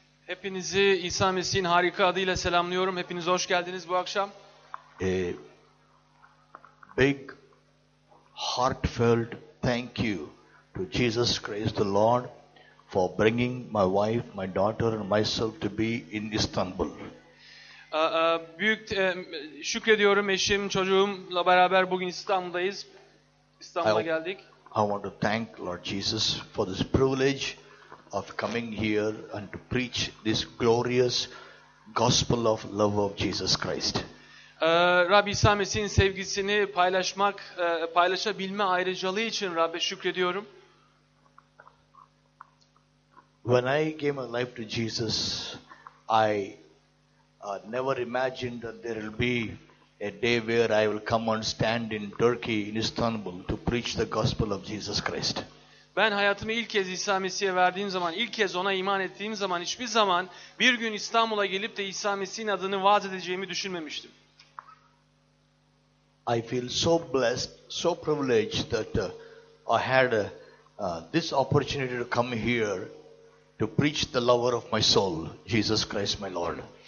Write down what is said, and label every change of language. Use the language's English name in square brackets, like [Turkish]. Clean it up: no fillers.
[Turkish] Hepinizi İsa Mesih'in harika adıyla selamlıyorum. Hepiniz hoş geldiniz bu akşam. [English] A big heartfelt thank you to Jesus Christ the Lord for bringing my wife, my daughter and myself to be in Istanbul. [Turkish] Büyük şükrediyorum eşim, çocuğumla beraber bugün İstanbul'dayız. [English] I want to thank Lord Jesus for this privilege of coming here and to preach this glorious gospel of love of Jesus Christ. [Turkish] Rabbi İsa Mesih'in sevgisini paylaşmak, paylaşabilme ayrıcalığı için Rabbe şükrediyorum. [English] When I gave my life to Jesus, I never imagined that there will be a day where I will come and stand in Turkey, in Istanbul, to preach the gospel of Jesus Christ. [Turkish] Ben hayatımı ilk kez İsa Mesih'e verdiğim zaman, ilk kez ona iman ettiğim zaman, hiçbir zaman bir gün İstanbul'a gelip de İsa Mesih'in adını vaaz edeceğimi düşünmemiştim. [English] I feel so blessed, so privileged that I had this opportunity to come here to preach the lover of my soul, Jesus Christ my Lord.